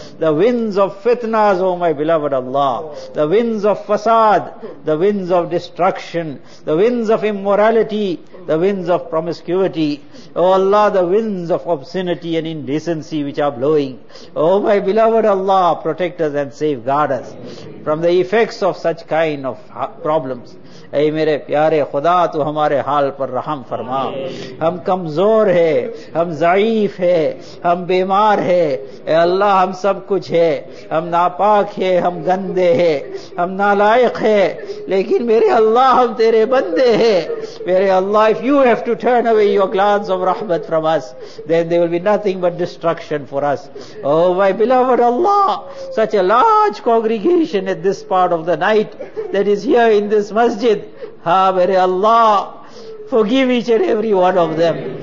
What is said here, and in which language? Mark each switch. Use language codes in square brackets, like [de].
[en] The winds of fitnas, oh my beloved Allah. The winds of fasad, the winds of destruction, the winds of immorality, the winds of promiscuity. Oh Allah, the winds of obscenity and indecency which are blowing. Oh my beloved Allah, protect us and safeguard us from the effects of such kind of problems. [ur] اے میرے پیارے خدا، تو ہمارے حال پر رحم فرما. ہم کمزور ہیں، ہم ضعیف ہیں، ہم بیمار ہیں. اے اللہ، ہم سب کچھ ہے، ہم ناپاک ہیں، ہم گندے ہیں، ہم نالائق ہیں، لیکن میرے اللہ، ہم تیرے بندے ہیں. میرے اللہ، [en] if you have to turn away your glance of rahmat from us, then there will be nothing but destruction for us. Oh my beloved Allah, such a large congregation at this part of the night that is here in this masjid. [ur] Ha, mere Allah, [en] forgive each and every one of them.